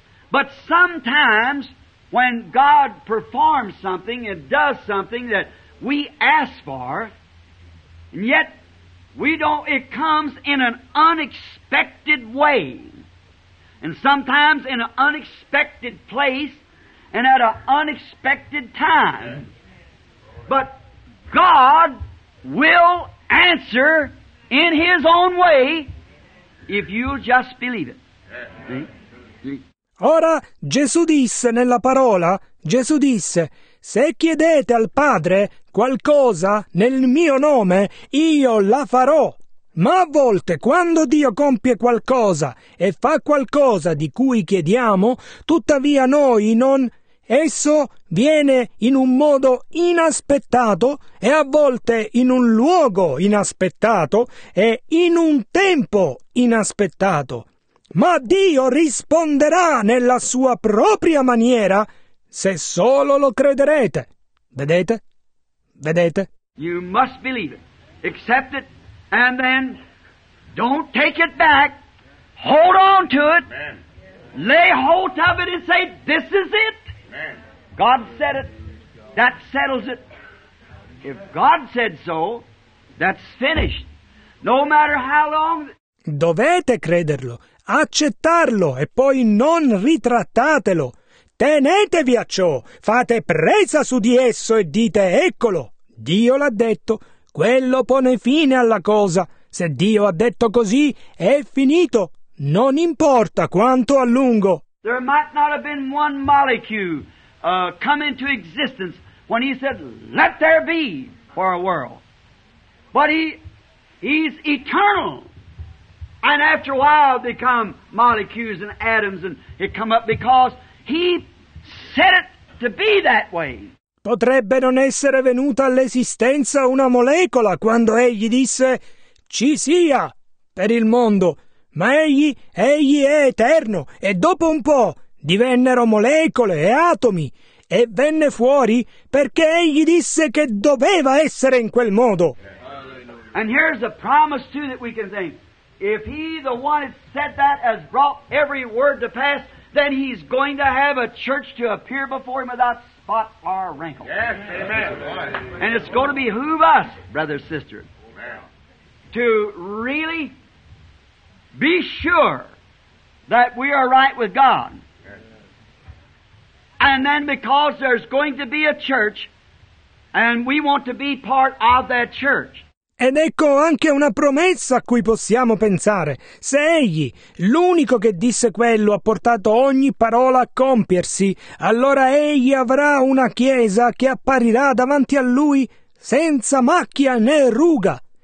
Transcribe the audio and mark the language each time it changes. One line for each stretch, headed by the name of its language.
English: But sometimes when God performs something and does something that we ask for, and yet we don't, it comes in an unexpected way, and sometimes in an unexpected place, and at an unexpected time. But God will answer in His own way, if you just believe it.
Italian: Ora Gesù disse nella parola, Gesù disse, se chiedete al Padre qualcosa nel mio nome, io la farò. Ma a volte, quando Dio compie qualcosa e fa qualcosa di cui chiediamo, tuttavia noi non... Esso viene in un modo inaspettato e a volte in un luogo inaspettato e in un tempo inaspettato. ma Dio risponderà nella sua propria maniera se solo lo crederete. Vedete? Vedete?
English: You must believe it. Accept it and then don't take it back. Hold on to it. Amen. Lay hold of it and say, this is it. Amen. God said it. That settles it. If God said so, that's finished. No matter how long...
Italian: Dovete crederlo, accettarlo e poi non ritrattatelo. Tenetevi a ciò, fate presa su di esso e dite, eccolo, Dio l'ha detto, quello pone fine alla cosa. Se Dio ha detto così, è finito. Non importa quanto a lungo.
English: There might not have been one molecule come into existence when he said, let there be for a world. But he's eternal. And after a while become molecules and atoms and it come up because he set it to be that way.
Italian: Potrebbe non essere venuta all'esistenza una molecola quando egli disse ci sia per il mondo. Ma egli è eterno, e dopo un po' divennero molecole e atomi, e venne fuori perché egli disse che doveva essere in quel modo.
English: And here's a promise too that we can think. If he, the one that said that, has brought every word to pass, then he's going to have a church to appear before him without spot or wrinkle. Yes, amen. And it's going to behoove us, brother, sister, to really... be sure that we are right with God. And then because there's going to be a church, and we want to be part of that church.
Italian: Ed ecco anche una promessa a cui possiamo pensare. Se egli, l'unico che disse quello, ha portato ogni parola a compiersi, allora egli avrà una chiesa che apparirà davanti a lui senza macchia né ruga.